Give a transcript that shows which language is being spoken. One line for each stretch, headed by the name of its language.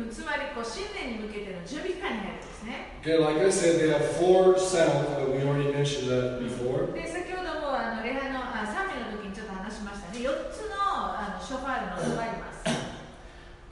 Japanese: つまりこう新年に向けての準備期間になるんですね。
English: Okay, like I said, there are four sounds, but we already mentioned that before.
Japanese: で先ほども礼拝の賛美の時にちょっと話しましたね。4つのショファールの音があります。